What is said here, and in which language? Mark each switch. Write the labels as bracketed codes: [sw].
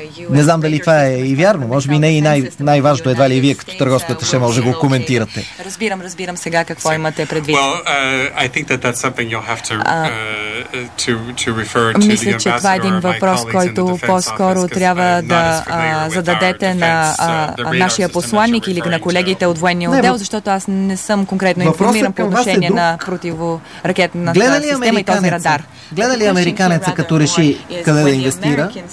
[bg] Не знам дали това е и вярно, може би не и най-важно, едва ли вие като търговската ще може го коментирате. Разбирам сега какво имате предвид. [en] Well, I think that that's something you'll have to refer to the ambassador. [bg] Това е един въпрос, който по-скоро трябва да зададете на нашия посланник или на колегите от военния отдел, защото аз не съм конкретно информиран по отношение на противоракетната система и този радар. Гледа ли американеца, като реши къде да инвестира?